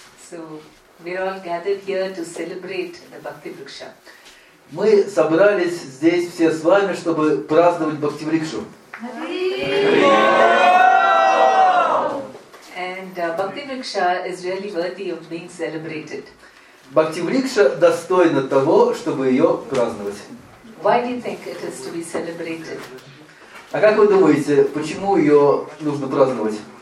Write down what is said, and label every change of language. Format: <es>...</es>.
<en>So, we are all gathered here to celebrate the Bhakti Vriksha.</en> <ru>Мы собрались здесь все с вами, чтобы праздновать Бхактиврикшу.</ru> <en>And Bhaktivriksha is really worthy of being celebrated.</en> <ru>Бхактиврикша достойна того, чтобы ее праздновать.</ru> <en>Why do you think it is to be celebrated?</en> <ru>А как вы думаете, почему ее нужно праздновать?</ru>